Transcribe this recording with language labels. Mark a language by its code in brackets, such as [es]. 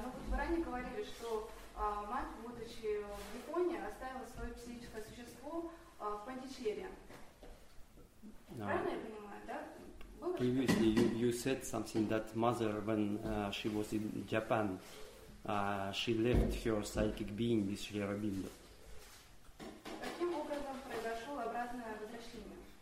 [ru] Вы ранее говорили, что мать, будучи в Японии, оставила свое психическое существо в Пондичерри. Правильно я понимаю, да? Вы [en] previously you said something that mother, when she was in Japan, she left her psychic being with Шри Аурабиндо. [ru] Каким образом произошло обратное возвращение?